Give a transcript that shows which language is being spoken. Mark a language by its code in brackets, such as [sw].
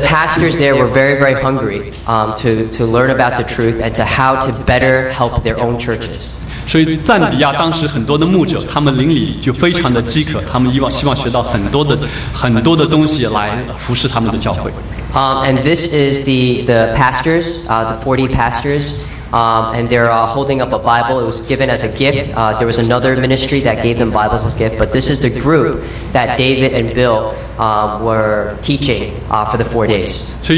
[en] pastors there were very, very hungry to learn about the truth and to how to better help their own churches. [zh] 所以赞比亚当时很多的牧者，他们邻里就非常的饥渴，他们希望学到很多的东西来服侍他们的教会。 [en] And this is the pastors, the 40 pastors, and they're holding up a Bible. It was given as a gift. There was another ministry that gave them Bibles as a gift, but this is the group that David and Bill were teaching for the 4 days.